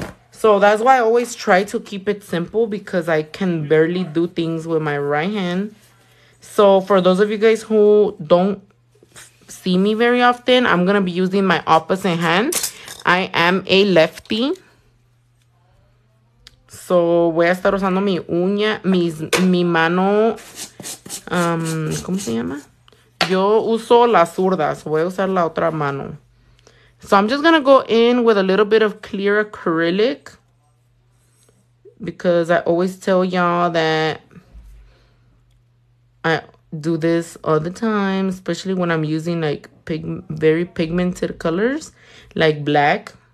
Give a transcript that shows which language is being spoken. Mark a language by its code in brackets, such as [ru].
[en] So that's why I always try to keep it simple, because I can barely do things with my right hand. So for those of you guys who don't see me very often, I'm going to be using my opposite hand. I am a lefty. [es] So voy a estar usando mi uña, mi mano, ¿cómo se llama? Yo uso las zurdas, voy a usar la otra mano. [en] So I'm just going to go in with a little bit of clear acrylic, because I always tell y'all that I do this all the time, especially when I'm using like very pigmented colors, like black.